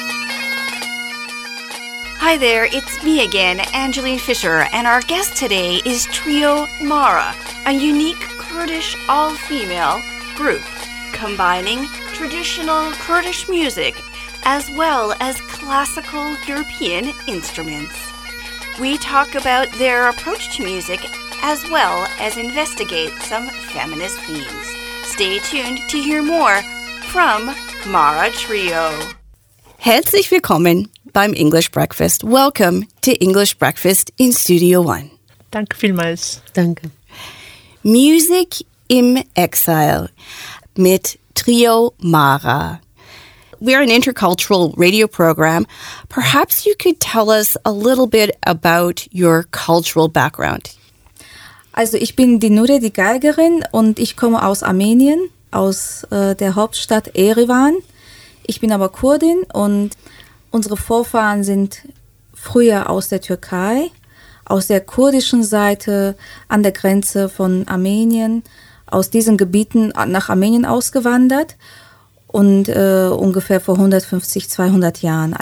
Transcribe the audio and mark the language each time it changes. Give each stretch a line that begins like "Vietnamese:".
English: Hi there, it's me again, Angeline Fisher, and our guest today is Trio Mara, a unique Kurdish all-female group combining traditional Kurdish music as well as classical European instruments. We talk about their approach to music as well as investigate some feminist themes. Stay tuned to hear more from Mara Trio.
German: Herzlich willkommen beim English Breakfast.
English: Welcome to English Breakfast in Studio One.
German: Danke vielmals. Danke. Music im Exil mit Trio Mara.
English: We are an intercultural radio program. Perhaps you could tell us a little bit about your cultural background.
German: Also, ich bin die Nure, die Geigerin, und ich komme aus Armenien, aus der Hauptstadt Erevan. Ich bin aber Kurdin und unsere Vorfahren sind früher aus der Türkei, aus der kurdischen Seite an der Grenze von Armenien, aus diesen Gebieten nach Armenien ausgewandert und ungefähr vor 150, 200 Jahren.